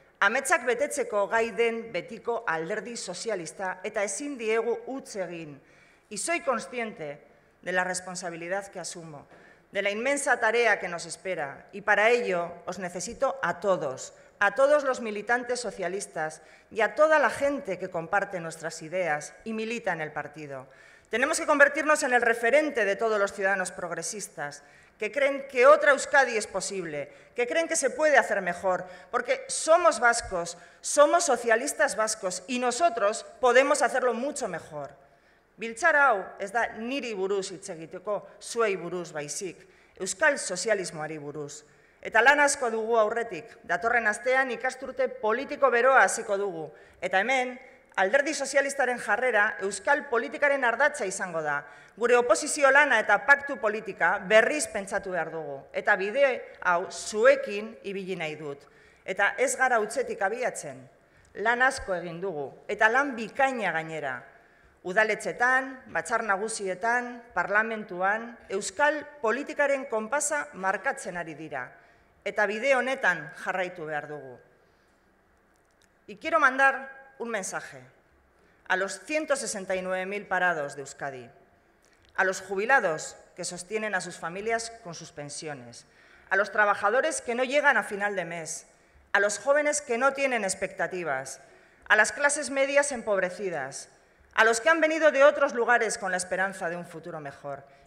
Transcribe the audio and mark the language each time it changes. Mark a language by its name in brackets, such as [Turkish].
[Basque] Ametsak betetzeko gai den betiko alderdi sozialista eta ezin diegu utz egin. [Spanish] Y soy consciente de la responsabilidad que asumo, de la inmensa tarea que nos espera. Y para ello os necesito a todos los militantes socialistas y a toda la gente que comparte nuestras ideas y milita en el partido. Tenemos que convertirnos en el referente de todos los ciudadanos progresistas, que creen que otra Euskadi es posible, que creen que se puede hacer mejor, porque somos vascos, somos socialistas vascos y nosotros podemos hacerlo mucho mejor. [Basque] Biltzar hau ez da niri buruz hitz egiteko, zuei buruz baizik, euskal sozialismoari buruz. Eta lan asko dugu aurretik, datorren astean ikasturte politiko beroa hasiko dugu, eta hemen, alderdi sozialistaren jarrera, euskal politikaren ardatza izango da. Gure oposizio lana eta paktu politika berriz pentsatu behar dugu. Eta bide hau zuekin ibili nahi dut. Eta ez gara utzetik abiatzen. Lan asko egin dugu. Eta lan bikaina gainera. Udaletxetan, batzar nagusietan, parlamentuan, euskal politikaren konpasa markatzen ari dira. Eta bide honetan jarraitu behar dugu. [Spanish] I quiero mandar un mensaje a los 169.000 parados de Euskadi, a los jubilados que sostienen a sus familias con sus pensiones, a los trabajadores que no llegan a final de mes, a los jóvenes que no tienen expectativas, a las clases medias empobrecidas, a los que han venido de otros lugares con la esperanza de un futuro mejor.